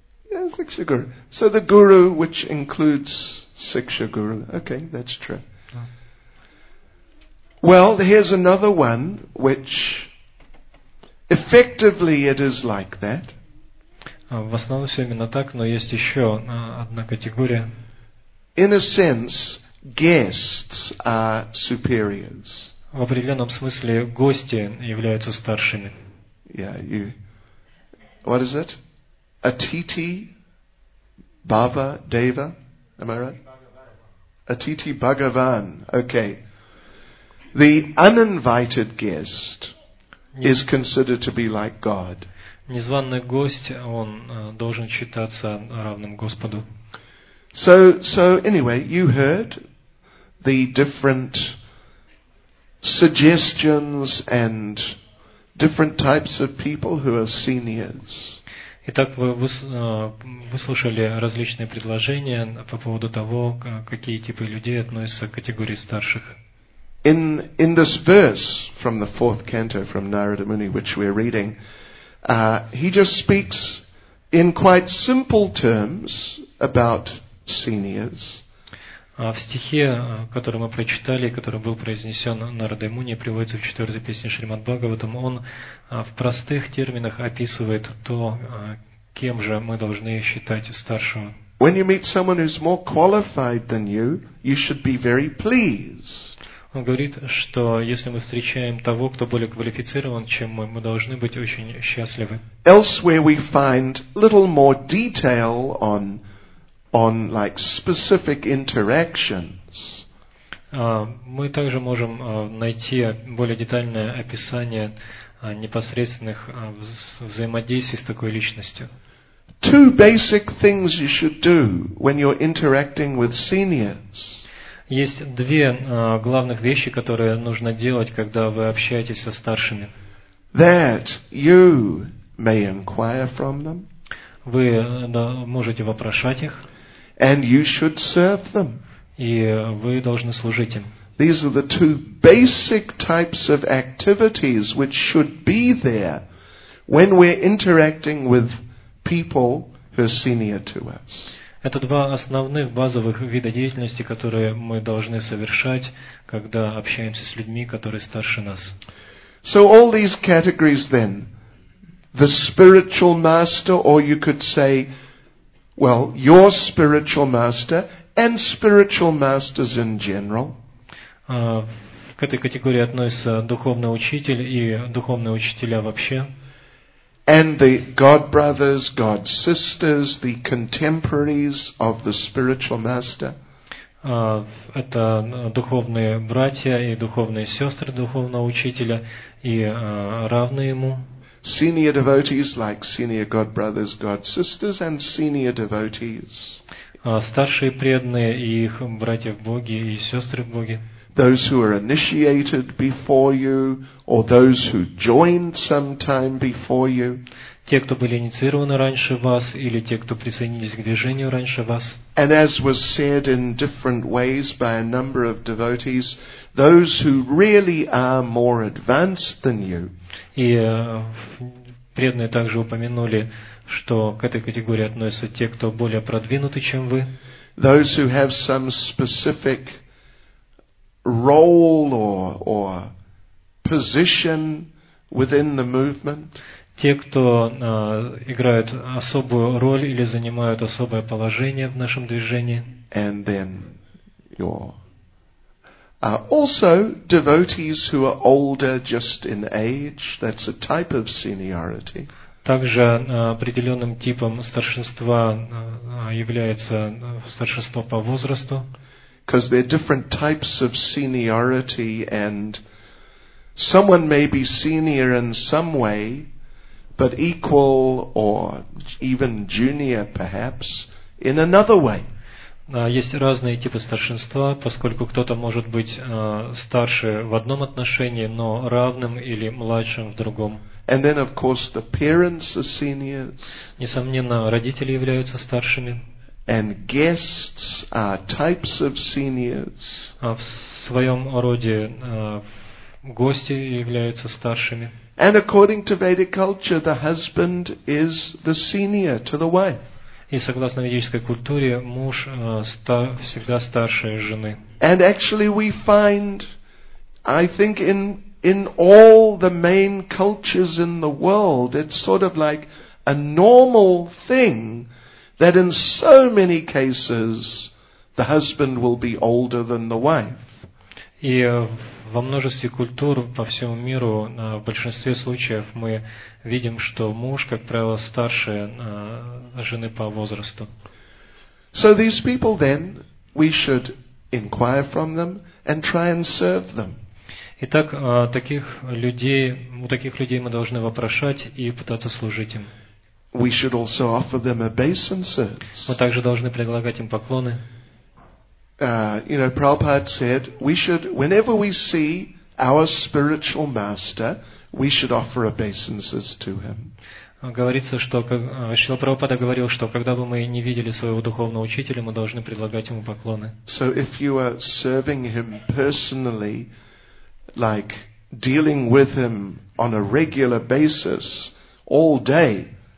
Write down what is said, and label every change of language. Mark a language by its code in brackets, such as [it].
[en] Yes, Siksha Guru. So the Guru, which includes Siksha Guru. Okay, that's true. Well, here's another one, which effectively it is like that. [ru] В основном все именно так, но есть еще одна категория. [en] In a sense, guests are superiors. [ru] В определенном смысле гости являются старшими. [en] Yeah, you. What is it? Atithi, Bhava, Deva. Am I right? Atithi Bhagavan. Okay. The uninvited guest is considered to be like God. [ru] Незваный гость, он должен считаться равным Господу. [en] So anyway, you heard the different suggestions and different types of people who are seniors. [ru] Итак, вы слушали различные предложения по поводу того, какие типы людей относятся к категории старших. [en] In this verse from the fourth canto from Narada Muni, which we're reading, he just speaks in quite simple terms about seniors. [ru] В стихе, который мы прочитали, который был произнесен Нарадой Муни, приводится в четвертой песне Шримад Бхагаватам, он в простых терминах описывает то, кем же мы должны считать старшего. [en] When you meet someone who's more qualified than you, you should be very pleased. [ru] Он говорит, что если мы встречаем того, кто более квалифицирован, чем мы должны быть очень счастливы. [en] Elsewhere we find little more detail on like specific interactions. [ru] Мы также можем найти более детальное описание непосредственных взаимодействий с такой личностью. [en] Two basic things you should do when you're interacting with seniors. [ru] Есть две главных вещи, которые нужно делать, когда вы общаетесь со старшими. [en] That you may inquire from them. [ru] Вы можете вопрошать их. [en] And you should serve them. [ru] И вы должны служить им. [en] These are the two basic types of activities which should be there when we're interacting with people who are senior to us. [ru] Это два основных базовых вида деятельности, которые мы должны совершать, когда общаемся с людьми, которые старше нас. [en] So all these categories then, the spiritual master, or you could say, well, your spiritual master and spiritual masters in general. [ru] К этой категории относятся духовный учитель и духовные учителя вообще. [en] And the God brothers, God sisters, the contemporaries of the spiritual master. [ru] Это духовные братья и духовные сестры духовного учителя и равные ему. [en] Senior devotees like senior God brothers, God sisters, and senior devotees. [ru] Старшие преданные и их братья в Боге и сестры в Боге. [en] Those who are initiated before you, or those who joined some time before you. [ru] Те, кто были инициированы раньше вас, или те, кто присоединились к движению раньше вас. [en] And as was said in different ways by a number of devotees, those who really are more advanced than you. [ru] И преданные также упомянули, что к этой категории относятся те, кто более продвинуты, чем вы. [en] Those who have some specific role or position within the movement. [ru] Те, кто играют особую роль или занимают особое положение в нашем движении. [en] And then your also devotees who are older just in age. That's a type of seniority. [ru] Также определенным типом старшинства является старшинство по возрасту. [en] Because there are different types of seniority, and someone may be senior in some way, but equal or even junior, perhaps, in another way. [ru] Есть разные типы старшинства, поскольку кто-то может быть старше в одном отношении, но равным или младшим в другом. [en] And then, of course, the parents are seniors. [ru] Несомненно, родители являются старшими. [en] And guests are types of seniors. [ru] В своем роде гости являются старшими. [en] And according to Vedic culture, the husband is the senior to the wife. [ru] И согласно ведической культуре, муж всегда старше жены. [en] And actually we find, I think in all the main cultures in the world, it's sort of like a normal thing that in so many cases the husband will be older than the wife. [ru] И во множестве культур по всему миру, в большинстве случаев мы видим, что муж, как правило, старше жены по возрасту. [en] So these people then we should inquire from them and try and serve them. [ru] Итак, таких людей, у таких людей мы должны вопрошать и пытаться служить им. [en] We should also offer them obeisances. [ru] Мы также должны предлагать им поклоны. [en] You know, Prabhupada said, we should, whenever we see our spiritual master, we should offer obeisances to him. [ru] Говорится, что Шрила Прабхупада говорил, что когда бы мы не видели своего духовного учителя, мы должны предлагать ему поклоны. [en] So if you are serving him personally, like dealing with him on a regular basis all day.